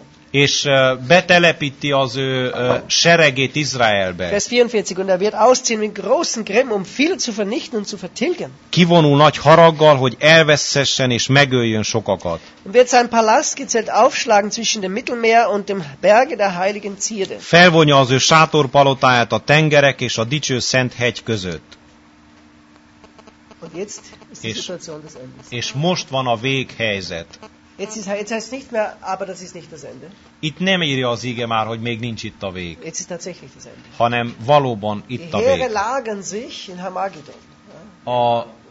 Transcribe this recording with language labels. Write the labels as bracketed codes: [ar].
[hu] És betelepíti az ő seregét Izraelbe. [de] Vers 44, und er wird ausziehen mit großen Grimm, um viele zu vernichten und zu vertilgen. [hu] Kivonul nagy haraggal, hogy elveszessen és megöljön sokakat. [de] Und wird sein Palast gezelt aufschlagen zwischen dem Mittelmeer und dem Berge der heiligen Zierde. [hu] Felvonja az ő sátorpalotáját a tengerek és a dicső szent hegy között. [de] Und jetzt ist die Situation des Endes. [hu] És most van a véghelyzet. [de] Jetzt heißt nicht mehr, aber das ist nicht das Ende. [hu] Itt nem írja az ige már, hogy még nincs itt a vég. [de] Jetzt ist tatsächlich das Ende. [hu] Hanem valóban itt [de] die [hu] a vég. [de] Heere lagen sich in Harmagedon.